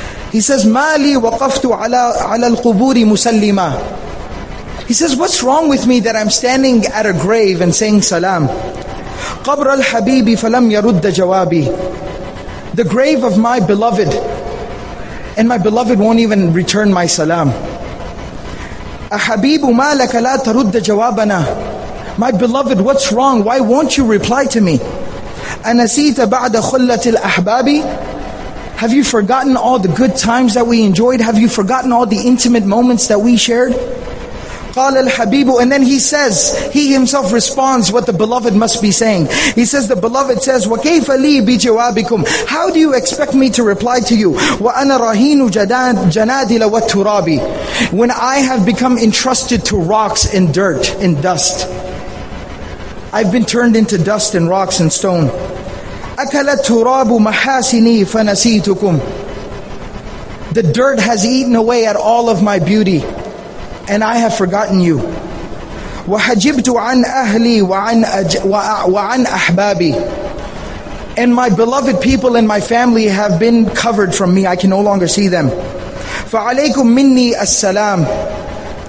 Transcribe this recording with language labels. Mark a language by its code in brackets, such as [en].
[en] He says, [ar] مَا لِي وَقَفْتُ عَلَى الْقُبُورِ مُسَلِّمًا. [en] He says, what's wrong with me that I'm standing at a grave and saying salam? [ar] قَبْرَ الْحَبِيبِ فَلَمْ يَرُدَّ جَوَابِي. [en] The grave of my beloved, and my beloved won't even return my salam. [ar] أَحَبِيبُ مَا لَكَ لَا تَرُدَّ جَوَابَنَا. [en] My beloved, what's wrong? Why won't you reply to me? [ar] أَنَسِيتَ بَعْدَ خُلَّةِ الْأَحْبَابِ. [en] Have you forgotten all the good times that we enjoyed? Have you forgotten all the intimate moments that we shared? [ar] قَالَ الْحَبِيبُ. [en] And then he says, he himself responds what the beloved must be saying. He says, the beloved says, [ar] وَكَيْفَ لِي بِجَوَابِكُمْ. [en] How do you expect me to reply to you? [ar] وَأَنَا رَهِينُ جَنَادِلَ وَالتُّرَابِ. [en] When I have become entrusted to rocks and dirt and dust. I've been turned into dust and rocks and stone. [ar] أَكَلَ التُّرَابُ مَحَاسِنِي فَنَسِيتُكُمْ. [en] The dirt has eaten away at all of my beauty, and I have forgotten you. [ar] وَحَجِبْتُ عَنْ أَهْلِي وَعَنْ أَحْبَابِي. [en] And my beloved people and my family have been covered from me. I can no longer see them. [ar] فَعَلَيْكُمْ مِنِّي السَّلَامِ.